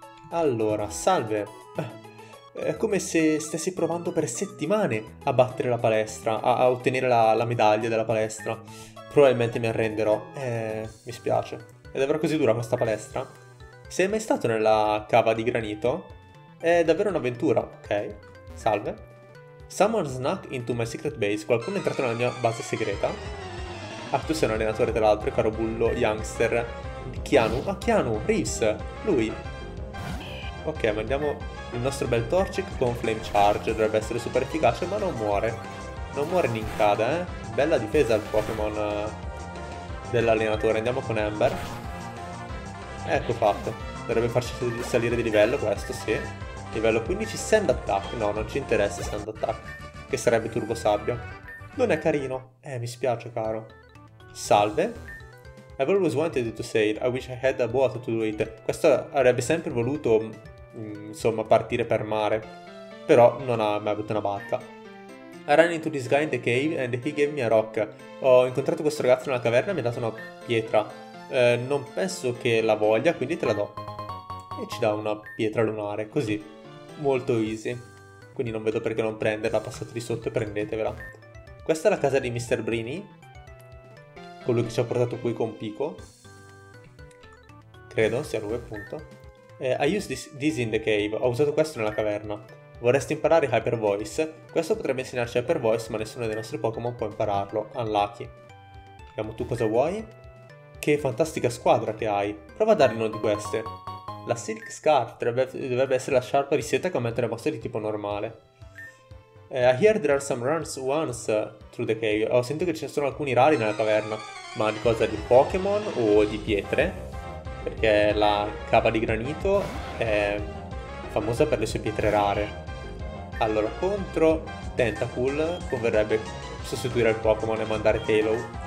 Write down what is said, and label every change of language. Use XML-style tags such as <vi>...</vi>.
<it>Allora, salve. È come se stessi provando per settimane a battere la palestra, a ottenere la medaglia della palestra. Probabilmente mi arrenderò. Mi spiace. È davvero così dura questa palestra? Sei mai stato nella cava di granito? È davvero un'avventura, ok? Salve.</it> <en>Someone snuck into my secret base.</en> <it>Qualcuno è entrato nella mia base segreta. Ah, tu sei un allenatore, tra l'altro, caro bullo youngster. Keanu? Ah, Keanu, Reeves, lui. Ok, mandiamo il nostro bel Torchic con Flame Charge. Dovrebbe essere super efficace, ma non muore. Non muore Nincada, eh? Bella difesa al Pokémon dell'allenatore. Andiamo con Ember. Ecco fatto, dovrebbe farci salire di livello questo, sì. Livello 15, Sand Attack, no, non ci interessa Sand Attack, che sarebbe Turbo Sabbia. Non è carino, mi spiace caro. Salve.</it> <en>I've always wanted to sail, I wish I had a boat to do it.</en> <it>Questo avrebbe sempre voluto, insomma, partire per mare, però non ha mai avuto una barca.</it> <en>I ran into this guy in the cave and he gave me a rock.</en> <it>Ho incontrato questo ragazzo nella caverna e mi ha dato una pietra. Non penso che la voglia, quindi te la do. E ci dà una pietra lunare, così. Molto easy. Quindi non vedo perché non prenderla, passate di sotto e prendetevela. Questa è la casa di Mr. Brini. Colui che ci ha portato qui con Pico. Credo sia lui, appunto.</it> <en>I use this in the cave.</en> <it>Ho usato questo nella caverna. Vorresti imparare Hyper Voice? Questo potrebbe insegnarci Hyper Voice, ma nessuno dei nostri Pokémon può impararlo. Unlucky. Vediamo tu cosa vuoi. Che fantastica squadra che hai. Prova a dargli una di queste. La Silk Scarf dovrebbe essere la sciarpa di seta che aumenta le mosse di tipo normale.</it> <en>I hear there are some runs once through the cave.</en> <it>Ho sentito che ce ne sono alcuni rari nella caverna. Ma di cosa? Di Pokémon o di pietre? Perché la cava di granito è famosa per le sue pietre rare. Allora, contro Tentacool converrebbe sostituire il Pokémon e mandare Tailow.</it>